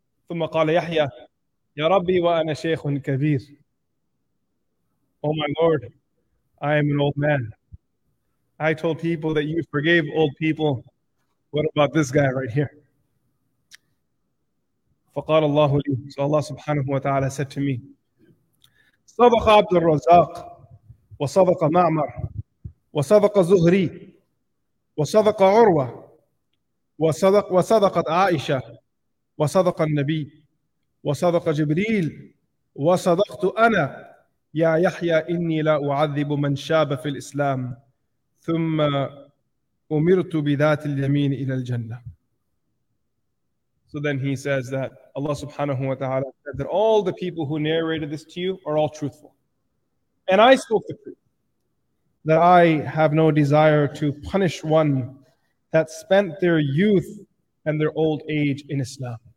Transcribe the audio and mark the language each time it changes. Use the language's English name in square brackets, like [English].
[Arabic] ثم قال يحيى يا ربي وأنا شيخ كبير. [English] Oh my Lord, I am an old man. I told people that you forgave old people. What about this guy right here? [Arabic] فقال الله لي. [English] So Allah subhanahu wa ta'ala said to me, [Arabic] صدق عبد الرزاق وصدق معمر وصدق زهري وصدق عروة وصدقت عائشة وصدق النبي وصدق جبريل وصدقت أنا يا يحيى إني لا أعذب من شاب في الإسلام ثم أمرت بذات اليمين إلى الجنة. [English] So then he says that Allah subhanahu wa ta'ala said that all the people who narrated this to you are all truthful. And I spoke the truth, that I have no desire to punish one that spent their youth and their old age in Islam.